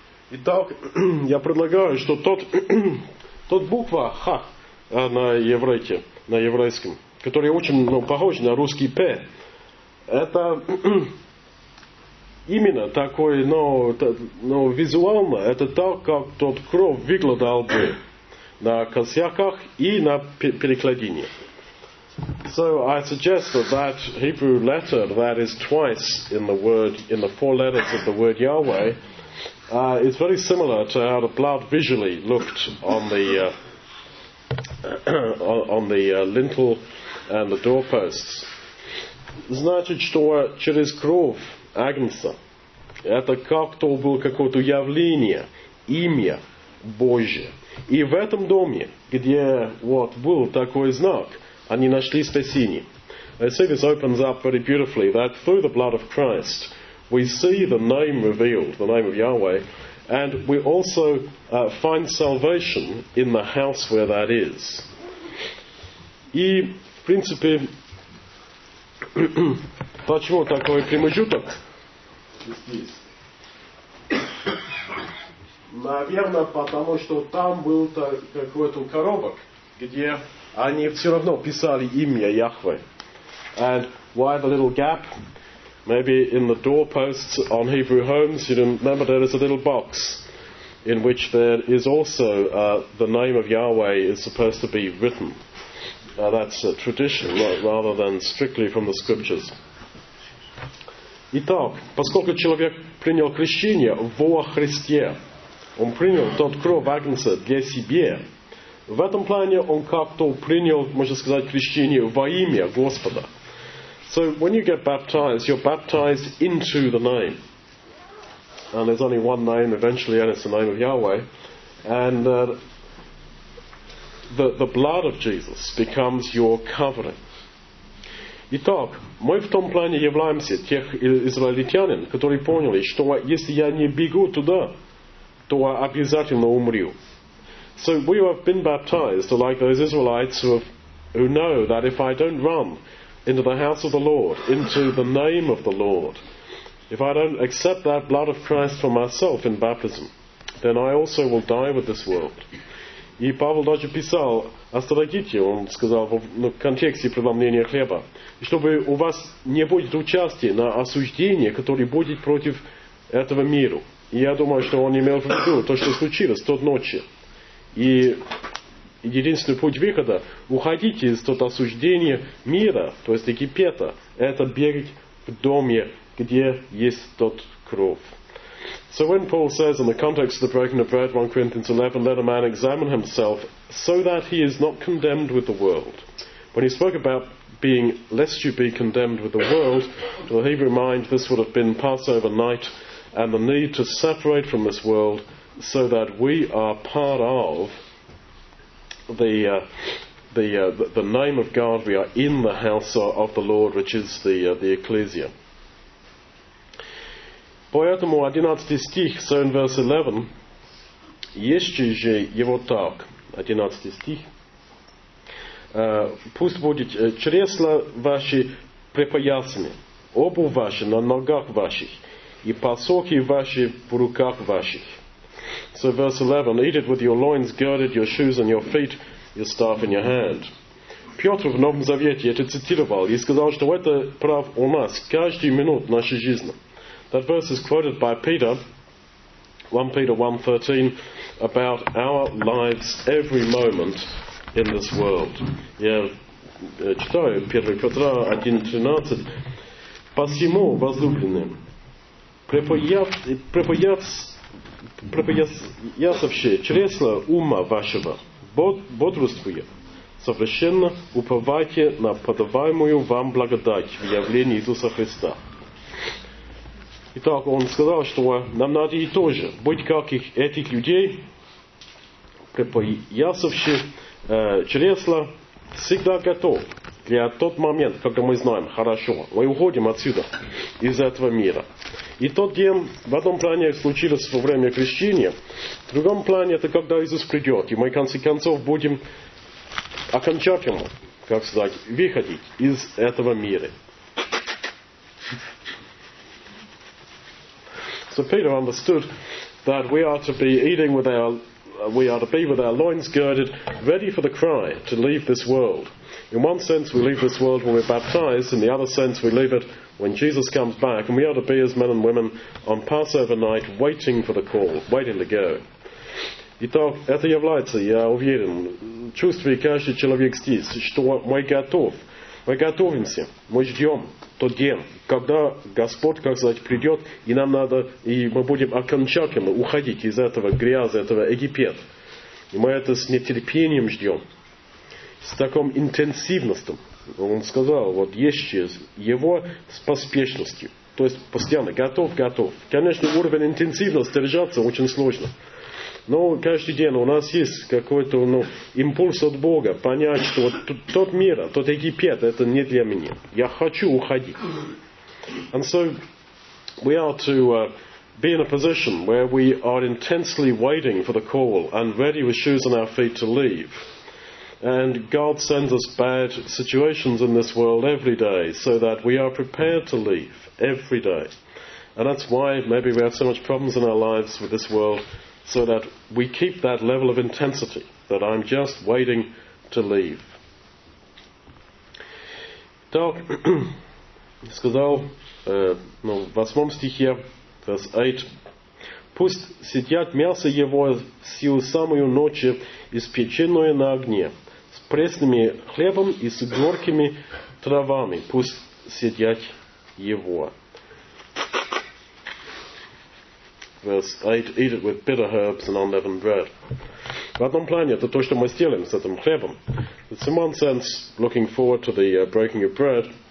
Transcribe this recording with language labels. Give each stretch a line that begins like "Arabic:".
Russian: Итак, я предлагаю, что тот буква Ха на еврейке, на еврейском, который очень похож на русский П, это именно такой, визуально, это так, как тот кровь выглядал бы на косяках и на перекладине.
English: So I suggest that Hebrew letter that is twice in the four letters of the word Yahweh is very similar to how the blood visually looked on the lintel and the doorposts.
Russian: Значит, что через кровь Агнца это как-то было какое-то явление, имя Божье. И в этом доме, где был такой знак, они нашли спасение.
English: I see this opens up very beautifully that through the blood of Christ we see the name revealed, the name of Yahweh, and we also find salvation in the house where that is.
Russian: И, в принципе, почему такой промежуток? Наверное, потому что там был какой-то коробок, где они все равно писали имя Яхве.
English: And why the little gap? Maybe in the doorposts on Hebrew homes, you remember there is a little box in which there is also the name of Yahweh is supposed to be written. That's a tradition rather than strictly from the scriptures.
Russian: Итак, поскольку человек принял крещение во Христе, он принял тот кровь Агнца для себя. В этом плане он как-то принял, можно сказать, крещение во имя Господа.
English: So when you get baptized, you're baptized into the name. And there's only one name eventually, and it's the name of Yahweh. And the blood of Jesus becomes your covering.
Russian: Итак, мы в том плане являемся тех израильтянин, которые поняли, что если я не бегу туда, то обязательно умру.
English: So we have been baptized like those Israelites who know that if I don't run into the house of the Lord, into the name of the Lord, if I don't accept that blood of Christ for myself in baptism, then I also will die with this world.
Russian: И Павел даже писал, остерегите, он сказал в контексте преломления хлеба, чтобы у вас не будет участия на осуждение, которое будет против этого мира. И я думаю, что он имел в виду то, что случилось тот ночью. И единственный путь выхода – уходить из того осуждения мира, то есть Египета, это бегать в доме, где есть тот кровь.
English: So when Paul says in the context of the breaking of bread, 1 Corinthians 11, let a man examine himself so that he is not condemned with the world. When he spoke about being, lest you be condemned with the world, to the Hebrew mind, this would have been Passover night and the need to separate from this world so that we are part of the name of God. We are in the house of the Lord, which is the Ecclesia.
Russian: Поэтому 11 стих,
English: so in verse 11,
Russian: «Еще же его так», 11 стих, «пусть будет чресла ваши припоясаны, обувь ваша на ногах ваших, и посохи ваши в руках ваших».
English: So verse 11, «Eat it with your loins girded, your shoes on your feet, your staff in your hand».
Russian: Петр в Новом Завете это цитировал и сказал, что это прав у нас каждую минуту нашей жизни.
English: That verse is quoted by Peter, 1 Peter 1:13, about our lives every moment in this world.
Russian: Я читаю 1 Петра 1:13. «Посему, возлюбленные, препоясавшие чресла ума вашего, бодрствуя, совершенно уповайте на подаваемую вам благодать в явлении Иисуса Христа». Итак, он сказал, что нам надо и тоже быть как этих людей, припоясавших чресла, всегда готов для тот момент, когда мы знаем, хорошо, мы уходим отсюда, из этого мира. И тот день в одном плане случилось во время крещения, в другом плане это когда Иисус придет, и мы в конце концов будем окончательно, как сказать, выходить из этого мира.
English: So Peter understood that we are to be eating with our, we are to be with our loins girded, ready for the cry to leave this world. In one sense, we leave this world when we're baptized; in the other sense, we leave it when Jesus comes back. And we are to be as men and women on Passover night, waiting for the call, waiting to go.
Russian: Итак, это является, я уверен, чувствуя каждый человек здесь, что мы готов, мы готовимся, мы ждем. Тот день, когда Господь, как сказать, придет, и нам надо, и мы будем окончательно уходить из этого грязи, этого Египет. И мы это с нетерпением ждем. С таком интенсивностью. Он сказал, вот еще его с поспешностью. То есть постоянно готов, готов. Конечно, уровень интенсивности держаться очень сложно. Но каждый день у нас есть какой-то импульс от Бога понять, что вот тот мир, тот Египет, это не для меня. Я хочу уходить.
English: And so we are to be in a position where we are intensely waiting for the call and ready with shoes on our feet to leave. And God sends us bad situations in this world every day so that we are prepared to leave every day. And that's why maybe we have so much problems in our lives with this world, so that we keep that level of intensity, that I'm just waiting to leave.
Russian: Так, сказал, ну, в 8 стихе,
English: verse 8,
Russian: «Пусть съедят мясо его всю самую ночь, испеченное на огне, с пресными хлебом и с горькими травами, пусть съедят его».
English: Verse 8, eat it with bitter herbs and unleavened bread.
Russian: В одном плане, это то, что мы сделаем с этим хлебом.
English: It's in one sense, looking forward to the breaking of bread.